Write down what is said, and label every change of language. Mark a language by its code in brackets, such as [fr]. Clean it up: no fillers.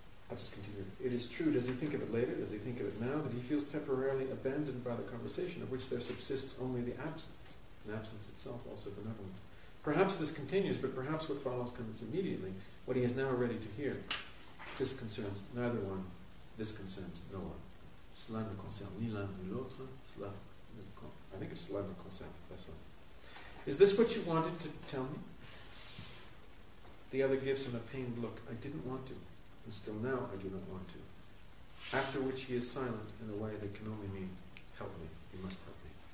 [en] I'll just continue. It is true, does he think of it later, does he think of it now, that he feels temporarily abandoned by the conversation, of which there subsists only the absence itself, also benevolent. Perhaps this continues, but perhaps what follows comes immediately. What he is now ready to hear. This concerns neither one, this concerns no one. [fr] Cela ne concerne ni l'un ni l'autre, cela ne concerne. [en] I think it's [fr] cela ne concerne personne. [en] Is this what you wanted to tell me? The other gives him a pained look. I didn't want to, and still now I do not want to. After which he is silent in a way that can only mean, help me, you must help me.